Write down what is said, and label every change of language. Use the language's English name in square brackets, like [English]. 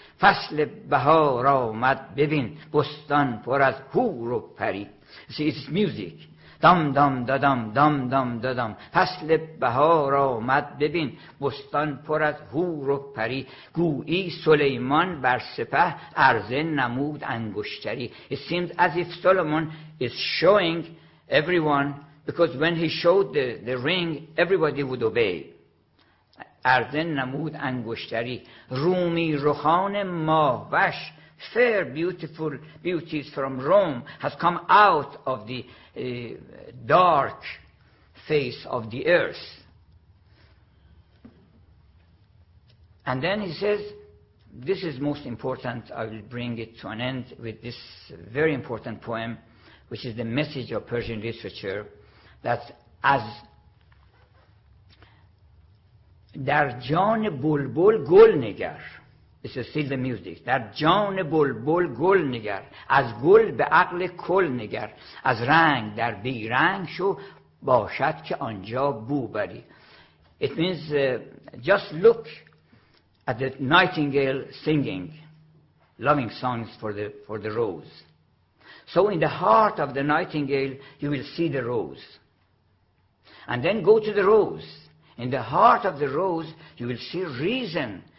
[Persian] فصل بهار آمد ببین بستان پر از حور و پری. [English] See, it's music. Dum dum da dum dum dum da dum. [Persian] فصل بهار آمد ببین بستان پر از حور و پری. گویی سلیمان بر سپه عرضه نمود انگشتری. [English] It seems as if Solomon is showing everyone, because when he showed the ring, everybody would obey. [Persian] اردن نمود انگشتری رومی روحان ماه وش [English] fair beautiful beauties from Rome has come out of the dark face of the earth. And then he says, this is most important, I will bring it to an end with this very important poem, which is the message of Persian literature, that as [Persian] در جان بلبل گل نگر. [English] It's still the music. [Persian] در جان بلبل گل نگر. از گل به عقل کل نگر. از رنگ در بی رنگ شو باشد که آنجا بو بری. [English] It means just look at the nightingale singing loving songs for the rose. So in the heart of the nightingale you will see the rose. And then go to the rose. In the heart of the rose, you will see reason.